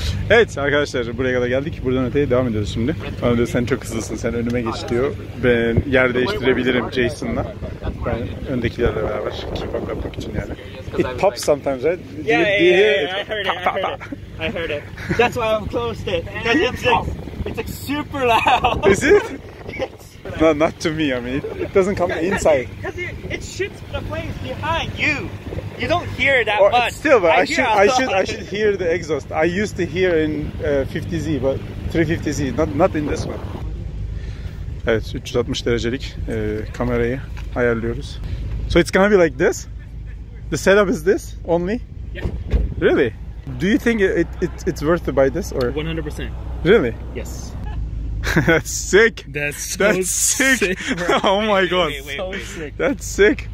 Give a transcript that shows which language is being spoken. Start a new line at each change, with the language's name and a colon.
Turkish: Evet arkadaşlar, buraya kadar geldik. Buradan öteye devam ediyoruz şimdi. Önce sen çok hızlısın. Sen önüme geç diyor. Ben yer değiştirebilirim Jason'la. Ben öndekilerle beraber
English: keep up
Turkish: yapmak için yani.
English: It pops sometimes, right? Yeah. I heard it. That's why I'm closed it. Because it's like super loud. Is it? No, not to me. I mean, it doesn't come inside. Because it shits the place behind you. You don't hear that much. Still, but I should hear the exhaust. I used to hear in 50Z, but 350Z, not in this one.
Turkish: Evet, 360 derecelik kamerayı ayarlıyoruz.
English: So it's gonna be like this. The setup is this only. Yeah. Really? Do you think it's worth to buy this or? 100%. Really? Yes. Sick. That's so sick. Oh my god. Wait. So that's sick.